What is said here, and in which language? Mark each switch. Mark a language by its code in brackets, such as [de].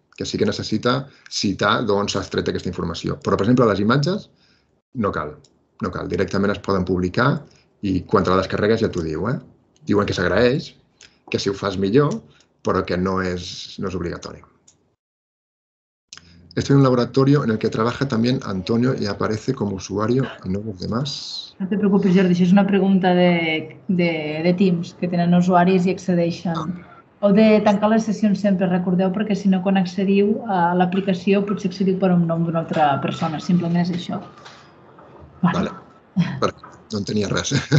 [ca] Que sí que necessita citar d'on s'ha extret aquesta informació. Però, per exemple, les imatges, no cal. Directament es poden publicar i quan te la descarregues ja t'ho diu. Diuen que s'agraeix, que si ho fas millor, però que no és obligatori. [es] Estoy en un laboratorio en el que trabaja también Antonio y aparece como usuario y no los demás. No te preocupes, [ca] Jordi, això és una pregunta de Teams, que tenen usuaris i accedeixen. Ah. Heu de tancar les sessions sempre, recordeu, perquè si no, quan accediu a l'aplicació, potser accediu per un nom d'una altra persona. Simplement és això. Vale. Perfecte. No en tenia res.